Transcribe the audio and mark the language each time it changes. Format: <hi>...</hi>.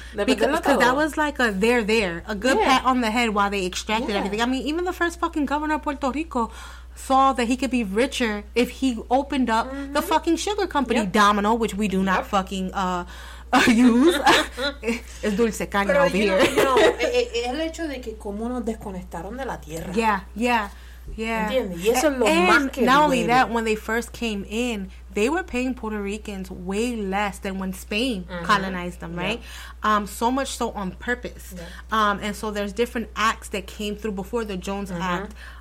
<en>Because that was like a there, a good pat on the head while they extracted everything. I mean, even the first fucking governor of Puerto Rico saw that he could be richer if he opened up the fucking sugar company, Domino, which we do not fucking use.</en> <es>Es Dulce Caña</es> <en>over here.</en> <es>No, el hecho de que como nos desconectaron de la tierra.</es> <en>Not only that, when they first came in, they were paying Puerto Ricans way less than when Spain colonized them, right? So much so on purpose. And so there's different acts that came through before the Jones Act,</en>